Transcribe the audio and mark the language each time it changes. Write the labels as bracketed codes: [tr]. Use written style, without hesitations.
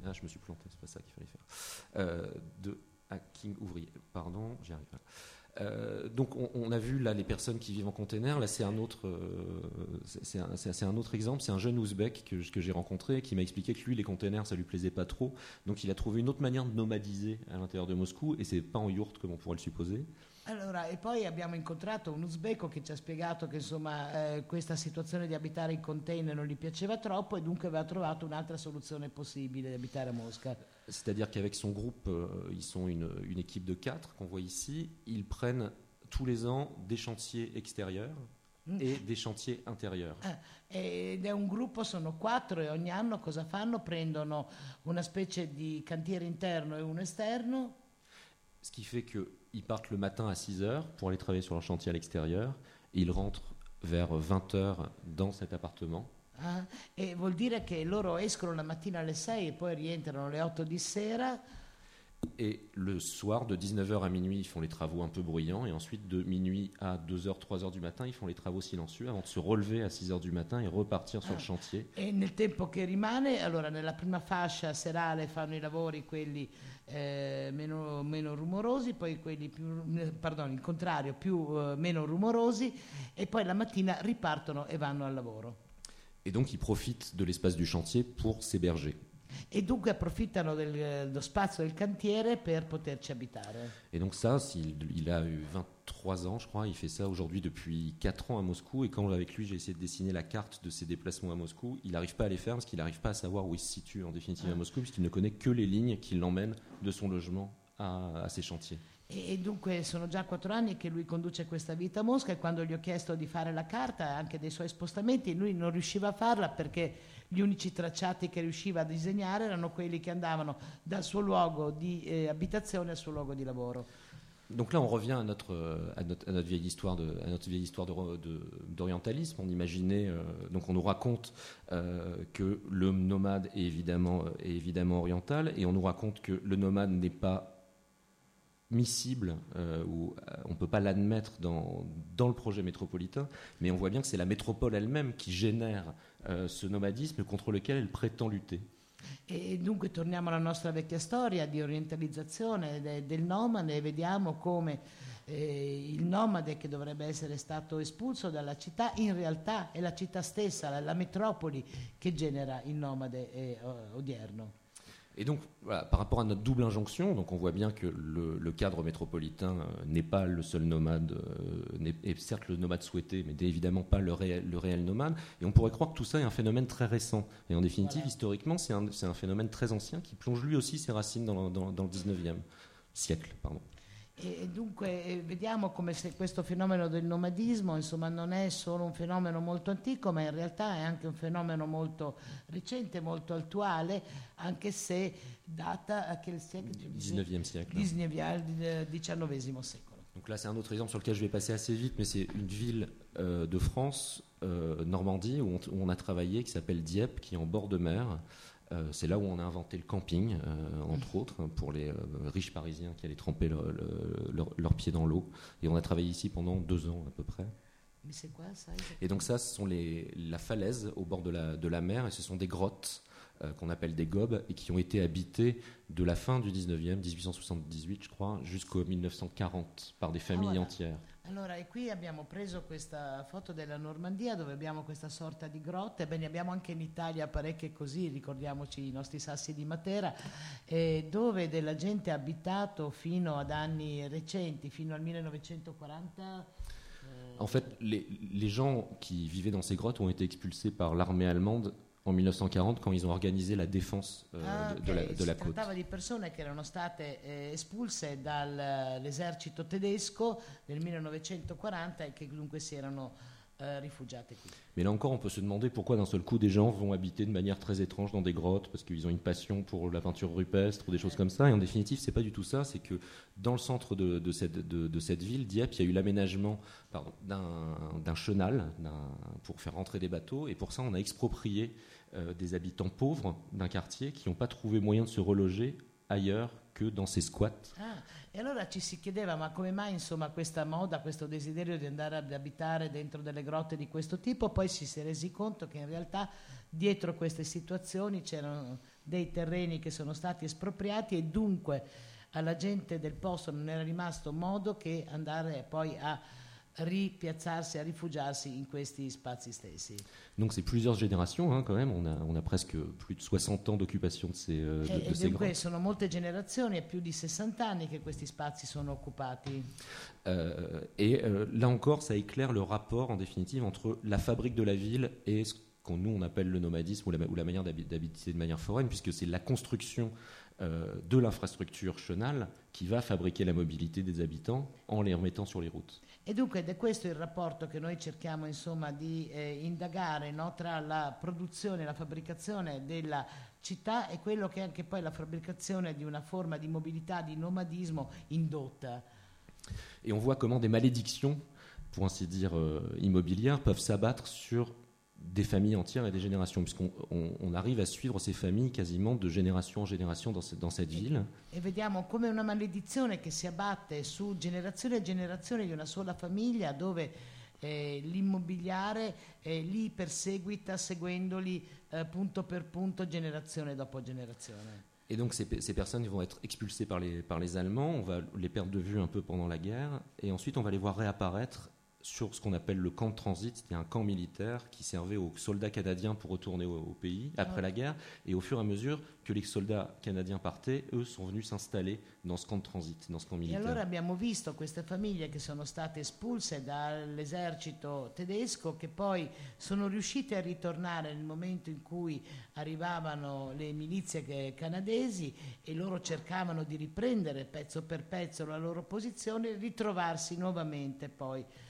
[fr] Ah, je me suis planté, c'est pas ça qu'il fallait faire. De hacking ouvrier, pardon, j'y arrive pas. Donc on a vu là les personnes qui vivent en container. Là c'est un autre exemple. C'est un jeune ouzbek que j'ai rencontré qui m'a expliqué que lui les containers ça lui plaisait pas trop. Donc il a trouvé une autre manière de nomadiser à l'intérieur de Moscou et c'est pas en yourte comme on pourrait le supposer. [it] Allora, e poi abbiamo incontrato un uzbeko che ci ha spiegato che insomma questa situazione di abitare in container non gli piaceva troppo e dunque aveva trovato un'altra soluzione possibile di abitare a Mosca. [fr] C'est-à-dire qu'avec son groupe, ils sont une équipe de 4 qu'on voit ici, ils prennent tous les ans des chantiers extérieurs [it] e dei [fr] chantiers intérieurs. [it] Ed è un gruppo, sono quattro, e ogni anno cosa fanno? Prendono una specie di cantiere interno e uno esterno. [fr] Ce qui fait que ils partent le matin à 6h pour aller travailler sur leur chantier à l'extérieur, et ils rentrent vers 20h dans cet appartement. [it] Ah, e vuol dire che loro escono la mattina alle 6 e poi rientrano alle 8 di sera. [fr] E le soir de 19h à minuit, ils font les travaux un peu bruyants, et ensuite de minuit à 2h, 3h du matin, ils font les travaux silencieux avant de se relever à 6h du matin et repartir sur le chantier. [it] E nel tempo che rimane, allora nella prima fascia serale fanno i lavori quelli meno rumorosi, poi quelli più, pardon, il contrario, più meno rumorosi, e poi la mattina ripartono e vanno al lavoro. [fr] Et donc ils profitent de l'espace du chantier pour s'héberger. Et donc [it] approfittano dello spazio del cantiere per poterci abitare. [fr] Et donc ça, il a eu 23 ans, je crois, il fait ça aujourd'hui depuis 4 ans à Moscou, et quand avec lui j'ai essayé de dessiner la carte de ses déplacements à Moscou, il n'arrive pas à les faire parce qu'il n'arrive pas à savoir où il se situe en définitive à Moscou, puisqu'il ne connaît que les lignes qui l'emmènent de son logement à ses chantiers. [it] E dunque sono già 4 anni che lui conduce questa vita a Mosca, e quando gli ho chiesto di fare la carta anche dei suoi spostamenti, lui non riusciva a farla perché gli unici tracciati che riusciva a disegnare erano quelli che andavano dal suo luogo di abitazione al suo luogo di lavoro. [fr] Donc là on revient à notre vieille histoire d'orientalisme. On imaginait donc on nous raconte que le nomade est évidemment oriental, et on nous raconte que le nomade n'est pas miscible, où on ne peut pas l'admettre dans le projet métropolitain, mais on voit bien que c'est la métropole elle-même qui génère ce nomadisme contre lequel elle prétend lutter. [it] E dunque torniamo alla nostra vecchia storia di orientalizzazione del nomade, e vediamo come il nomade, che dovrebbe essere stato espulso dalla città, in realtà è la città stessa, la metropoli, che genera il nomade odierno. [fr] Et donc, voilà, par rapport à notre double injonction, donc on voit bien que le cadre métropolitain n'est pas le seul nomade, est certes le nomade souhaité, mais n'est évidemment pas le réel nomade. Et on pourrait croire que tout ça est un phénomène très récent. Et en définitive, voilà, historiquement, c'est un phénomène très ancien qui plonge lui aussi ses racines dans le 19e siècle. Pardon. [it] E dunque vediamo come se questo fenomeno del nomadismo, insomma, non è solo un fenomeno molto antico, ma in realtà è anche un fenomeno molto recente, molto attuale, anche se data a quel secolo? 19e secolo. 19e secolo. [fr] Donc là c'est un autre exemple sur lequel je vais passer assez vite, mais c'est une ville de France, Normandie, où on a travaillé, qui s'appelle Dieppe, qui est en bord de mer. C'est là où on a inventé le camping, entre autres, pour les riches parisiens qui allaient tremper leurs pieds dans l'eau. Et on a travaillé ici pendant 2 ans à peu près. Mais c'est quoi ça? Et donc ça, ce sont la falaise au bord de la mer, et ce sont des grottes qu'on appelle des gobes, et qui ont été habitées de la fin du 19e, 1878 je crois, jusqu'au 1940, par des familles entières. [it] Allora, e qui abbiamo preso questa foto della Normandia, dove abbiamo questa sorta di grotte. Beh, ne abbiamo anche in Italia parecchie così, ricordiamoci i nostri sassi di Matera, dove della gente ha abitato fino ad anni recenti, fino al 1940. [fr] En fait, les gens qui vivaient dans ces grottes ont été expulsés par l'armée allemande en 1940, quand ils ont organisé la défense de la côte. [it] Si trattava di persone che erano state espulse dall'esercito tedesco nel 1940 e che dunque si erano rifugiate qui. [fr] Mais là encore, on peut se demander pourquoi d'un seul coup des gens vont habiter de manière très étrange dans des grottes, parce qu'ils ont une passion pour la peinture rupestre ou des choses comme ça. Et en définitive, c'est pas du tout ça. C'est que dans le centre de cette ville, Dieppe, il y a eu l'aménagement d'un chenal pour faire rentrer des bateaux. Et pour ça, on a exproprié des habitants pauvres d'un quartier qui n'ont pas trouvé moyen de se reloger ailleurs que dans ces squats. [it] Ah, e allora ci si chiedeva, ma come mai, insomma, questa moda, questo desiderio di andare ad abitare dentro delle grotte di questo tipo? Poi ci si è resi conto che in realtà dietro queste situazioni c'erano dei terreni che sono stati espropriati, e dunque alla gente del posto non era rimasto modo che andare poi a ripiazzarsi, a rifugiarsi in questi spazi stessi. [fr] Donc c'est plusieurs générations, hein, quand même. On a presque plus de 60 ans d'occupation de ces grottes. [it] Et dunque sono molte generazioni, è più di 60 anni che questi spazi sono occupati. [fr] Et là encore, ça éclaire le rapport en définitive entre la fabrique de la ville et ce qu'on, nous, on appelle le nomadisme ou la manière d'habiter de manière foraine, puisque c'est la construction de l'infrastructure chenale qui va fabriquer la mobilité des habitants en les remettant sur les routes. [it] E dunque, ed è questo il rapporto che noi cerchiamo insomma di indagare, no, tra la produzione e la fabbricazione della città e quello che è anche poi la fabbricazione di una forma di mobilità, di nomadismo indotta. [fr] Et on voit comment des malédictions, pour ainsi dire immobilières, peuvent s'abattre sur des familles entières et des générations, puisqu'on on arrive à suivre ces familles quasiment de génération en génération dans cette ville. [it] Et vediamo come una maledizione che si abbatte su generazione e generazione di una sola famiglia, dove l'immobiliare li perseguita seguendoli punto per punto, generazione dopo generazione. [fr] Et donc ces personnes vont être expulsées par les Allemands, on va les perdre de vue un peu pendant la guerre, et ensuite on va les voir réapparaître sur ce qu'on appelle le camp de transit, c'est un camp militaire qui servait aux soldats canadiens pour retourner au pays après la guerre, et au fur et à mesure que les soldats canadiens partaient, eux sont venus s'installer dans ce camp de transit, dans ce camp militaire. Et alors, [it] abbiamo visto queste famiglie che sono state espulse dall'esercito tedesco, che poi sono riuscite a ritornare nel momento in cui arrivavano le milizie canadesi, e loro cercavano di riprendere pezzo per pezzo la loro posizione e ritrovarsi nuovamente poi.